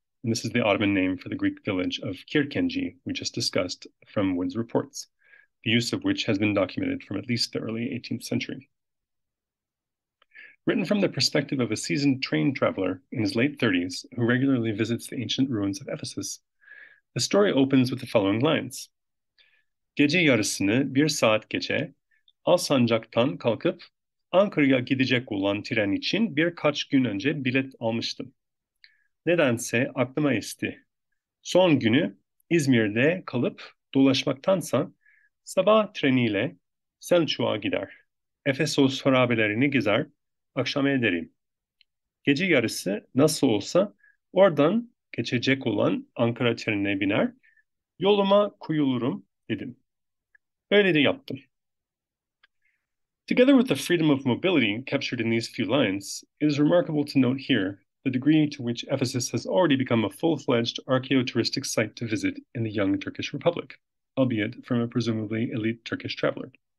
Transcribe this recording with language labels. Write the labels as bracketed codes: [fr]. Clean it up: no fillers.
[en] And this is the Ottoman name for the Greek village of Kirkenji we just discussed from Wood's reports, the use of which has been documented from at least the early 18th century. Written from the perspective of a seasoned train traveler in his late 30s who regularly visits the ancient ruins of Ephesus, the story opens with the following lines. [tr] Gece yarısını bir saat geçe, Alsancak'tan kalkıp Ankara'ya gidecek olan tren için birkaç gün önce bilet almıştım. Nedense aklıma esti. Son günü İzmir'de kalıp dolaşmaktansa sabah treniyle Selçuk'a gider. Efesos harabelerini gezer, akşam ederim. Gece yarısı nasıl olsa oradan geçecek olan Ankara trenine biner, yoluma koyulurum dedim. Öyle de yaptım. [en] Together with the freedom of mobility captured in these few lines, it is remarkable to note here the degree to which Ephesus has already become a full-fledged archaeotouristic site to visit in the young Turkish Republic, albeit from a presumably elite Turkish traveler.